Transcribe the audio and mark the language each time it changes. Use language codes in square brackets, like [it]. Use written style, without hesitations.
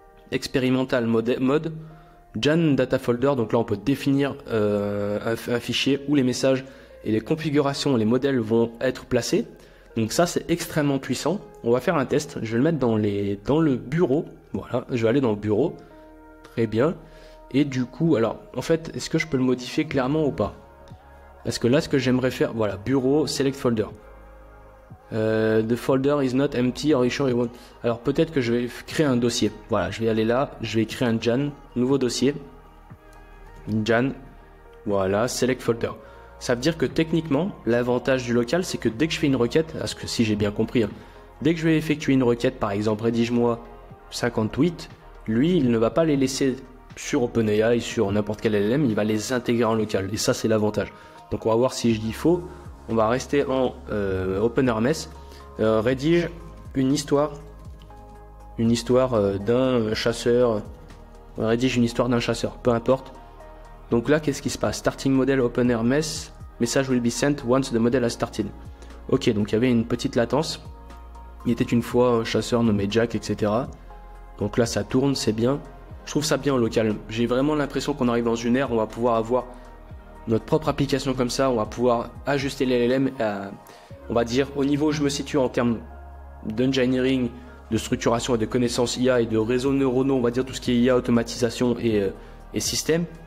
[fr] Expérimental mode, Jan Data Folder, donc là on peut définir un fichier où les messages et les configurations, les modèles vont être placés. Donc ça c'est extrêmement puissant. On va faire un test, je vais le mettre dans le bureau. Voilà, je vais aller dans le bureau. Très bien. Et du coup, alors en fait, est-ce que je peux le modifier clairement ou pas? Parce que là ce que j'aimerais faire, voilà, bureau, select folder. [en] The folder is not empty, are you sure you want? [fr] Alors peut-être que je vais créer un dossier. Voilà, je vais aller là, je vais créer un Jan, nouveau dossier. Jan, voilà, select folder. Ça veut dire que techniquement, l'avantage du local, c'est que dès que je fais une requête, parce que si j'ai bien compris, hein, dès que je vais effectuer une requête, par exemple, rédige-moi 50 tweets, lui, il ne va pas les laisser sur OpenAI, sur n'importe quel LLM, il va les intégrer en local. Et ça, c'est l'avantage. Donc on va voir si je dis faux. On va rester en Open Hermes. Rédige une histoire d'un chasseur. Rédige une histoire d'un chasseur, peu importe. Donc là, qu'est-ce qui se passe? [en] Starting model Open Hermes. Message will be sent once the model has started. [fr] Ok, donc il y avait une petite latence. Il était une fois un chasseur nommé Jack, etc. Donc là, ça tourne, c'est bien. Je trouve ça bien au local. J'ai vraiment l'impression qu'on arrive dans une ère où on va pouvoir avoir notre propre application comme ça, on va pouvoir ajuster l'LLM à, on va dire, au niveau où je me situe en termes d'engineering, de structuration et de connaissances IA et de réseaux neuronaux, on va dire tout ce qui est IA, automatisation et système.